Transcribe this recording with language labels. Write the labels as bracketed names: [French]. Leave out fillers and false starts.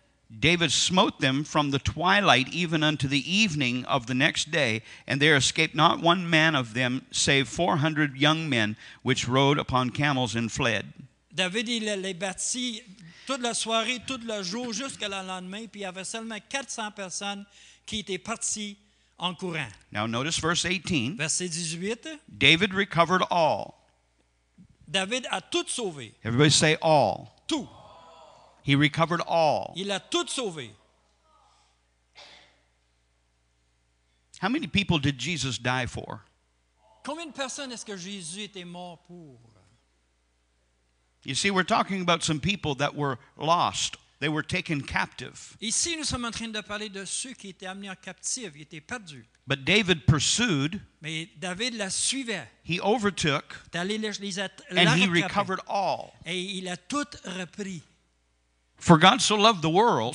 [English] David smote them from the twilight even unto the evening of the next day, and there escaped not one man of them, save 400 young men, which rode upon camels and fled. [French] David, il les battit toute la soirée, tout le jour, jusqu'à le lendemain, puis il y avait seulement 400 personnes qui était parti en courant. [English] Now notice verse 18. [French] Verset 18. [English] David recovered all. [French] David a tout sauvé. [English] Everybody say all. [French] Tout. [English] He recovered all. [French] Il a tout sauvé. [English] How many people did Jesus die for? [French] Combien de personnes est-ce que Jésus était mort pour? [English] You see, we're talking about some people that were lost. They were taken captive. [French] Ici, nous sommes en train de parler de ceux qui étaient amenés en captive, qui étaient perdus. [English] But David pursued. [French] Mais David la suivait. [English] He overtook. And he recovered all. [French] Et il a tout repris. [English] For God so loved the world.